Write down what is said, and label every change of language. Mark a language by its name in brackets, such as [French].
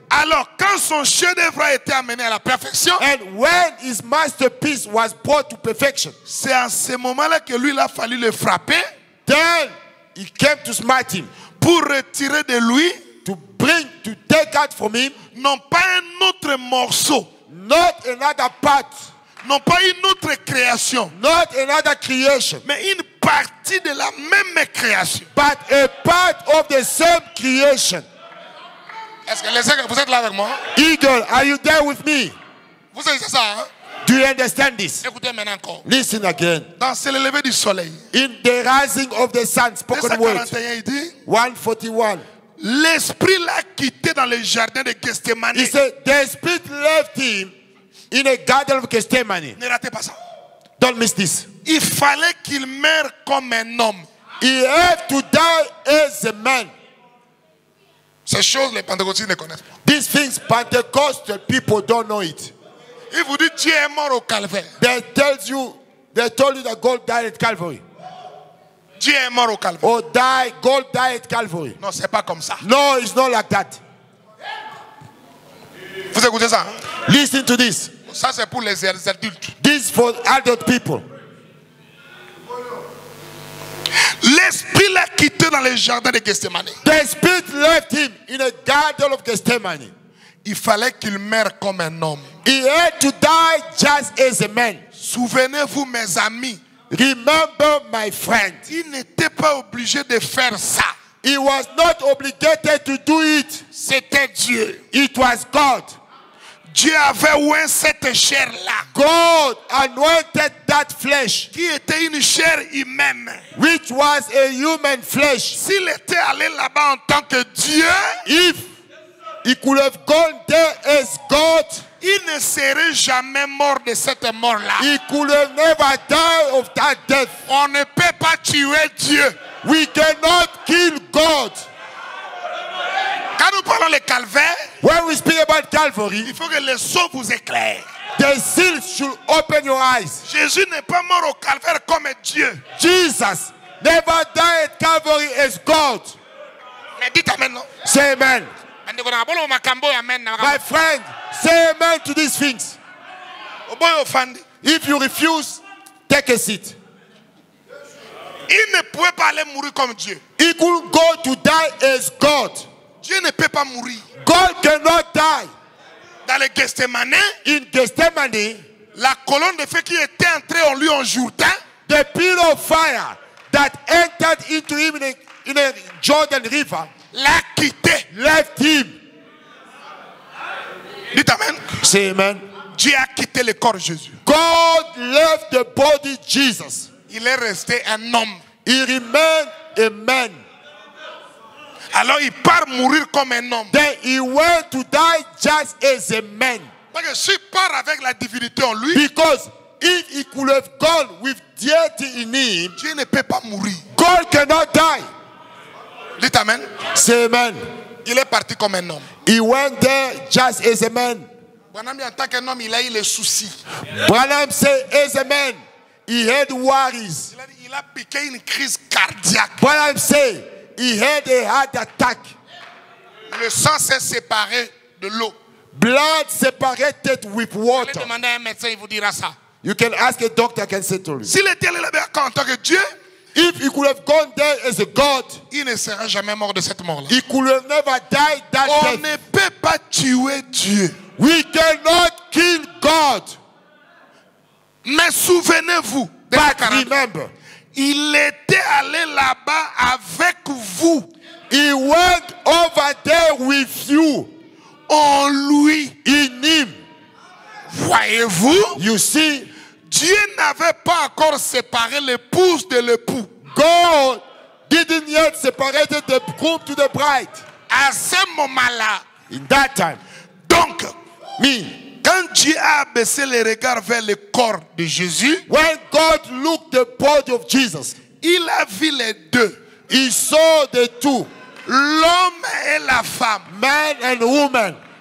[French] Alors, quand son chef-d'œuvre a été amené à la perfection, [English] and when his masterpiece was brought to perfection, [French] c'est à ce moment-là que lui il a fallu le frapper. [English] Then he came to smite him. [French] Pour retirer de lui, [English] to bring, to take out from him, [French] non pas un autre morceau, [English] not another part, [French] non pas une autre création, [English] not another creation, [French] mais une partie de la même création, [English] but a part of the same creation. [French] Est-ce que vous êtes là avec moi? [English] Eagle, are you there with me? [French] Vous savez ça, hein? [English] Do you understand this? [French] Écoutez maintenant encore. [English] Listen again. [French] Dans le lever du soleil. [English] In the rising of the sun, spoken word. 141. [French] L'esprit l'a quitté dans le jardin de Gethsemane. [English] He said, the spirit left him in a garden of Gethsemane. [French] Ne ratez pas ça. [English] Don't miss this. [French] Il fallait qu'il meure comme un homme. [English] He had to die as a man. [French] Ces choses, les pentecôtistes ne connaissent pas. [English] These things, Pentecostal people don't know it. [French] Ils vous disent Dieu est mort au calvaire. [English] They tells you, they told you that God died at Calvary. [French] Dieu est mort au calvaire. [English] Or die, God died at Calvary. [French] Non, c'est pas comme ça. [English] No, it's not like that. [French] Vous écoutez ça? Hein? [English] Listen to this. [French] Ça c'est pour les adultes. [English] This is for adult people. [French] L'esprit l'a quitté dans le jardin de Gethsemane. [English] The spirit left him in a garden of Gethsemane. [French] Il fallait qu'il meure comme un homme. [English] He had to die just as a man. [French] Souvenez-vous, mes amis. [English] Remember, my friend. [French] Il n'était pas obligé de faire ça. [English] He was not obligated to do it. [French] C'était Dieu. [English] It was God. [French] Dieu avait oint cette chair là. [English] God anointed that flesh. [French] Qui était une chair humaine. [English] Which was a human flesh. [French] S'il était allé là-bas en tant que Dieu, [English] if he could have gone there as God, [French] il ne serait jamais mort de cette mort là. [English] He could have never died of that death. [French] On ne peut pas tuer Dieu. [English] We cannot kill God. [French] Quand nous parlons le calvaire, [English] when we speak about Calvary, [French] il faut que le sceau vous éclaire. [English] The seal should open your eyes. [French] Jésus n'est pas mort au calvaire comme Dieu. [English] Jesus never died at Calvary as God. [French] Mais dites amen, non? [English] Say amen. Amen. My friend, say amen to these things. Boy, offended. If you refuse, take a seat. [French] Il ne pouvait pas aller mourir comme Dieu. [English] He could go to die as God. [French] Dieu ne peut pas mourir. [English] God cannot die. [French] Dans le Gethsemane, [English] in Gethsemane, [French] la colonne de feu qui était entrée en lui en Jourdain, [English] the pillar of fire that entered into him in a Jordan River, [French] l'a quitté, [English] left him. [French] Dites amen. [English] Say amen. [French] Dieu a quitté le corps de Jésus. [English] God left the body Jesus. [French] Il est resté un homme. [English] He remained a man. [French] Alors il part mourir comme un homme. [English] Then he went to die just as a man. [French] Parce que s'il part avec la divinité en lui. [English] Because if he could have gone with deity in him. [French] Dieu ne peut pas mourir. [English] God cannot die. [French] Dites amen. [English] Say amen. [French] Il est parti comme un homme. [English] He went there just as a man. [French] Branham, en tant qu'un homme, il a eu les soucis. [English] Branham said, as a man, he had worries. [French] Il a piqué une crise cardiaque. [English] Branham said, he had a heart attack. [French] Le sang s'est séparé de l'eau. [English] Blood separated with water. [French] Allez demander à un médecin, il vous dira ça. [English] You can ask a doctor, I can say to you. [French] S'il était allé là-bas en tant que Dieu, [English] if he could have gone there as a God, [French] il ne serait jamais mort de cette mort-là. [English] He could have never died that on death. [French] On ne peut pas tuer Dieu. [English] We cannot kill God. [French] Mais souvenez-vous, [English] but remember, [French] il était allé là-bas avec vous. [English] He went over there with you. [French] En lui, [English] in him. [French] Voyez-vous? [English] You see, [French] Dieu n'avait pas encore séparé l'épouse de l'époux. [English] God didn't yet separate the groom to the bride. [French] À ce moment-là, [English] in that time, [French] donc, [English] me, [French] quand Dieu a baissé les regards vers le corps de Jésus, [English] when God looked the body of Jesus, [French] il a vu les deux. [English] He saw the two. [French] L'homme et la femme. [English] Man and woman.